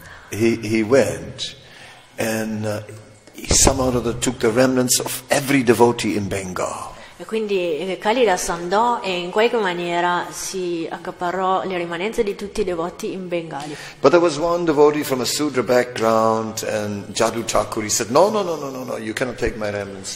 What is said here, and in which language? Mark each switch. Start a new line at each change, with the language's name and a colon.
English: He went and he somehow or other took the remnants of every devotee in Bengal.
Italian: E quindi Kalidas andò e in qualche maniera si accaparrò le rimanenze di tutti i devoti in Bengali.
English: But there was one devotee from a Sudra background and Jadu Thakur, he said, no, you cannot take my remnants.